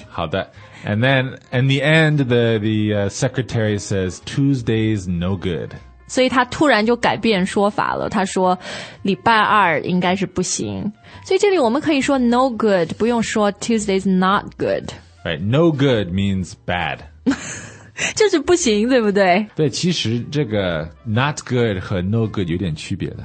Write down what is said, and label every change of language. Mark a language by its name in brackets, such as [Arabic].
[Chinese] 好的。 [English] And then in the end the secretary says Tuesday's no good. [Chinese] 所以他突然就改变说法了，他说礼拜二应该是不行。所以这里我们可以说 no good, 不用说 [English] Tuesday's not good. Right, no good means bad. [Chinese] 就是不行，对不对？对，其实这个 not good 和 no good 有点区别的。